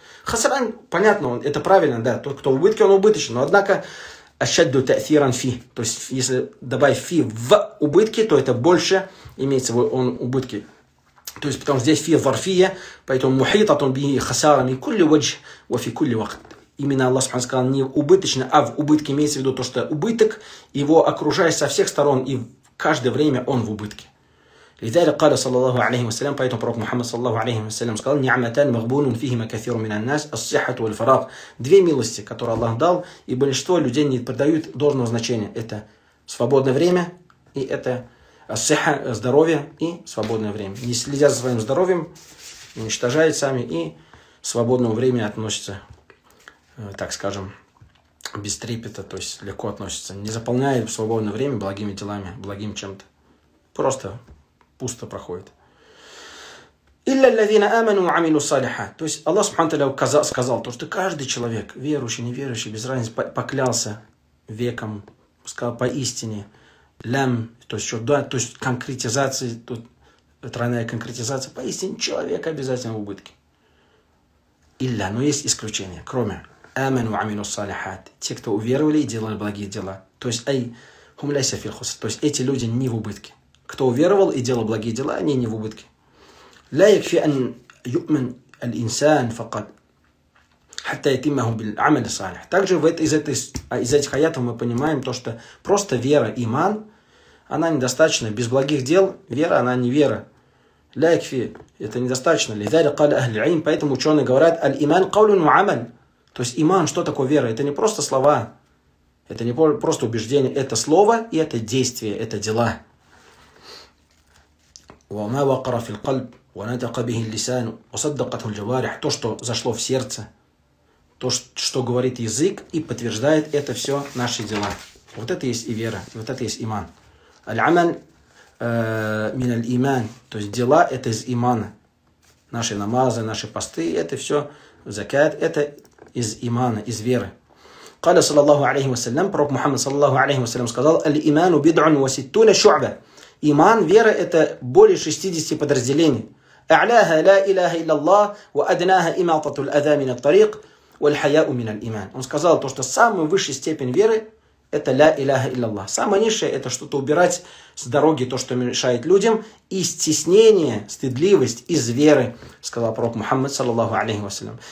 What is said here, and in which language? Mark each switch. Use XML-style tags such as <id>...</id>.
<ru>Хасран, понятно, это правильно, да, тот, кто в убытке, он убыточный, но однако ашадду та'сиран фи, то есть если добавить фи в убытке, то это больше имеется в он убытке. То есть потому что здесь фи варфия, поэтому мухитат он бихи хасаран и кулли ваджх ва фи кулли вакт. Именно Аллах Субхана сказал не убыточно, а в убытке, имеется в виду то, что убыток, его окружает со всех сторон, и каждое время он в убытке.</ru> <ar>لذلك قال صلى الله عليه وسلم بايت برك محمد صلى الله عليه وسلم قال نعمتان مغبون فيهما كثير من الناس الصحة والفراغ.</ar> <ru>Две милости, которые Аллах дал, и большинство людей не придают должного значения. Это свободное время и это асиха, здоровье и свободное время. Не следят за своим здоровьем, уничтожают сами и свободного времени относятся, так скажем, без трепета, то есть легко относятся. Не заполняют свободное время благими делами, благим чем-то. Просто пусто проходит. Илля аллазина аману ва амилу салиха. То есть Аллах Субхана Тааля сказал, то, что каждый человек, верующий, неверующий, без разницы, поклялся веком, сказал поистине, лям, то есть, что, да, то есть конкретизация, тут тройная конкретизация, поистине человек обязательно в убытке. Илля, но есть исключение, кроме аману ва амилу салиха, те, кто уверовали и делали благие дела. То есть, ай, хум ляйся фил хуср, то есть эти люди не в убытке. Кто уверовал и делал благие дела, они не в убытке.</ru> <ar>لا يكفي أن يؤمن الإنسان فقط حتى يتمه بالعمل الصالح.</ar> <ru>Также в этой из этих аятов мы понимаем то, что просто вера, иман, она недостаточна. Без благих дел вера, она не вера.</ru> <ar>لا يكفي,</ar> <ru>это недостаточно.</ru> <ar>لذلك قال أهل العلم,</ar> <ru>поэтому ученые говорят,</ru> <ar>الإيمان قول وعمل.</ar> <ru>То есть иман, что такое вера? Это не просто слова, это не просто убеждение, это слово и это действие, это дела.</ru> <ar>وما وقر في القلب ونطق به اللسان وصدقته الجوارح.</ar> <ru>То, что зашло в сердце, то, что говорит язык и подтверждает это все наши дела. Вот это есть и вера, и вот это есть иман.</ru> <ar>العمل من الإيمان.</ar> <ru>То есть дела это из имана. Наши намазы, наши посты, это все закят, это из имана, из веры.</ru> <ar>قال صلى الله عليه وسلم,</ar> <ru>пророк Мухаммад</ru> <ar>صلى الله عليه وسلم</ar> <ru>сказал:</ru> <ar>الإيمان بضع وستون شعبة.</ar> <ru>Иман, вера, это более 60 подразделений. «Аляха ла иляха илляллах, ва аднаха иматату л-аза мин ат-тариқ, ва л-хаяу мин аль-иман». Он сказал, то, что самая высшая степень веры – это «ла иляха илляллах». Самая низшая – это что-то убирать с дороги, то, что мешает людям, и стеснение, стыдливость из веры, сказал пророк Мухаммад, саллаллаху алейхи вассалям.</ru>